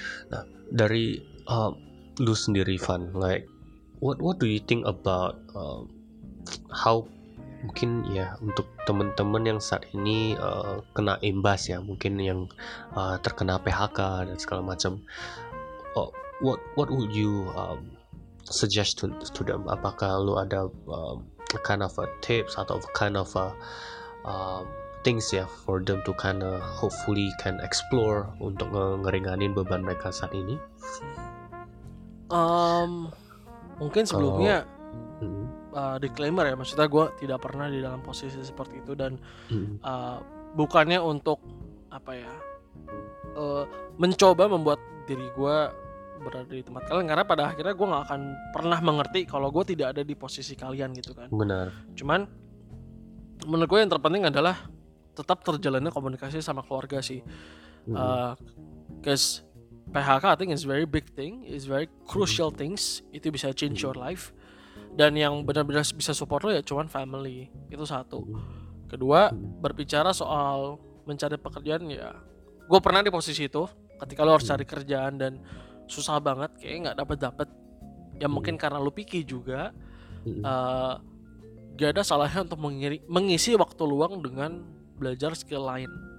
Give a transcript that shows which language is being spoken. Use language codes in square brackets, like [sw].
[id] Nah, dari lu sendiri Van, [en] like what do you think about how [id] mungkin ya untuk teman-teman yang saat ini kena imbas ya, mungkin yang terkena PHK dan segala macam. [en] What would you suggest to them? [id] Apakah lu ada [en] kind of a tips [id] atau [en] kind of a things [id] ya [en] for them to kind of hopefully can explore [id] untuk ngeringanin beban mereka saat ini? Mungkin sebelumnya disclaimer ya, maksudnya gue tidak pernah di dalam posisi seperti itu dan bukannya untuk apa ya, mencoba membuat diri gue berada di tempat kalian, karena pada akhirnya gue gak akan pernah mengerti kalau gue tidak ada di posisi kalian gitu kan. Benar. Cuman menurut gue yang terpenting adalah tetap terjalannya komunikasi sama keluarga sih. [en] Cause PHK I think is very big thing, is very crucial things. [id] Itu bisa [en] change your life. [id] Dan yang benar-benar bisa support lo ya cuman family. Itu satu. Kedua, berbicara soal mencari pekerjaan ya, gue pernah di posisi itu. ketika lo harus cari kerjaan dan susah banget, kayaknya nggak dapet-dapet. Ya mungkin karena lo picky juga. Gak ada salahnya untuk mengisi waktu luang dengan belajar skill lain.